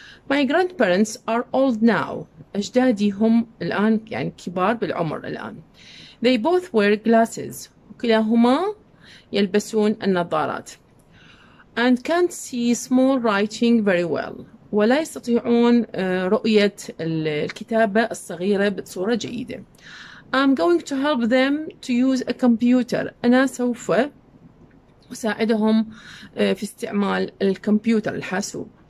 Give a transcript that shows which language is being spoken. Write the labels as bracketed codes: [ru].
[en] My grandparents are old now, [ar] أجدادي هم الآن يعني كبار بالعمر الآن. [en] They both wear glasses, [ar] كلاهما يلبسون النظارات. [en] And can't see small writing very well, [ar] ولا يستطيعون رؤية الكتابة الصغيرة بصورة جيدة. [en] I'm going to help them to use a computer. [ar] أنا سوف أساعدهم في استعمال الكمبيوتر الحاسوب.